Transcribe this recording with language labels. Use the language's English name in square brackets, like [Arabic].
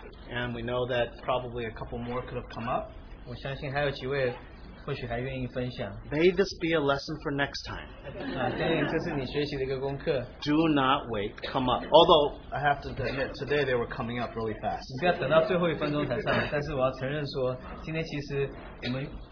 [English] And we know that probably a couple more could have come up. [Chinese] 我相信还有几位或许还愿意分享。 [English] May this be a lesson for next time. [Chinese] 这是你学习的一个功课。 [English] Do not wait, come up. Although, I have to admit, today they were coming up really fast. [Chinese] 你不要等到最后一分钟才上来。 但是我要承认说，今天其实我们。